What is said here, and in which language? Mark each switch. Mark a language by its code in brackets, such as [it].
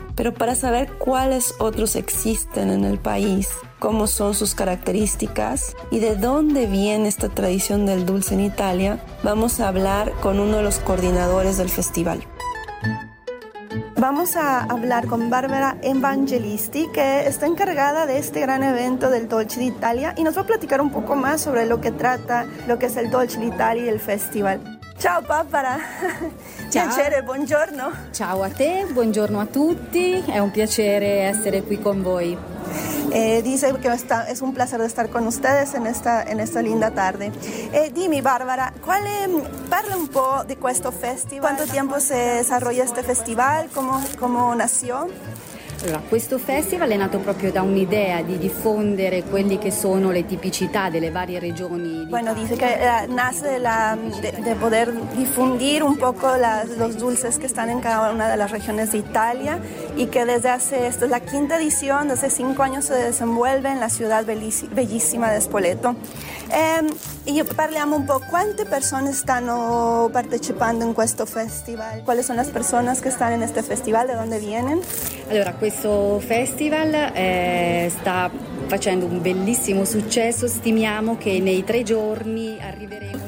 [es] Pero para saber cuáles otros existen en el país, cómo son sus características y de dónde viene esta tradición del dulce en Italia, vamos a hablar con uno de los coordinadores del festival. Vamos a hablar con Bárbara Evangelisti, que está encargada de este gran evento del Dolce d'Italia, y nos va a platicar un poco más sobre lo que trata, lo que es el Dolce d'Italia y el festival. [it] Ciao Bárbara, piacere, buongiorno. Ciao a te, buongiorno a tutti, è un piacere essere qui con voi. [es] Dice que es un placer de estar con ustedes en esta linda tarde. [it] Dimi Bárbara, parla un po' di questo festival. [es] ¿Cuánto tiempo se desarrolla este festival? ¿Cómo nació? [it] Allora, questo festival è nato proprio da un'idea di diffondere quelli che sono le tipicità delle varie regioni. [es] Bueno, dice che nasce de poter diffondere un poco los dulces che stanno in cada una de las regiones de Italia, y que desde hace, esta es la quinta edición, desde 5 anni se desenvuelve en la ciudad bellissima de Spoleto. [it] Io parliamo un po', quante persone stanno partecipando in questo festival? Quali sono le persone che stanno in questo festival? Da dove vengono? Allora, questo festival sta facendo un bellissimo successo. Stimiamo che nei 3 giorni arriveremo.